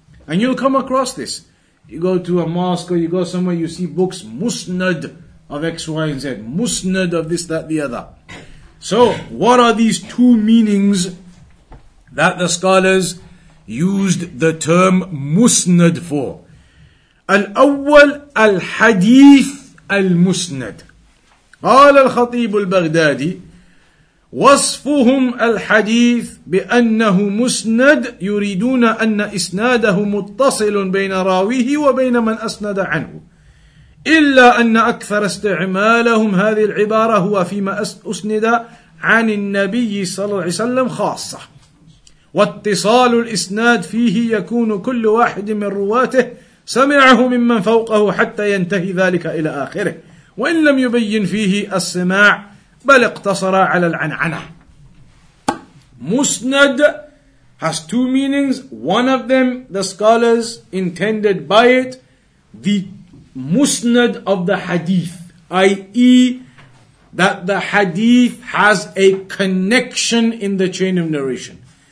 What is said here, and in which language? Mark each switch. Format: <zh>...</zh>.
<en>And you'll come across this. You go to a mosque or you go somewhere, you see books, musnad of X, Y, and Z. Musnad of this, that, the other. So, what are these two meanings that the scholars used the term musnad for?</en> <ar>Al-awwal al-hadith al-musnad. قال الخطيب البغدادي وصفهم الحديث بأنه مسند يريدون أن إسناده متصل بين راويه وبين من أسند عنه إلا أن أكثر استعمالهم هذه العبارة هو فيما أسند عن النبي صلى الله عليه وسلم خاصة واتصال الإسناد فيه يكون كل واحد من رواته سمعه ممن فوقه حتى ينتهي ذلك إلى آخره وإن لم يبين فيه السماع بل اقتصر على العنعنة.</ar> <en>Musnad has two meanings. One of them, the scholars intended by it, the musnad of the hadith, i.e. that the hadith has a connection in the chain of narration.</en>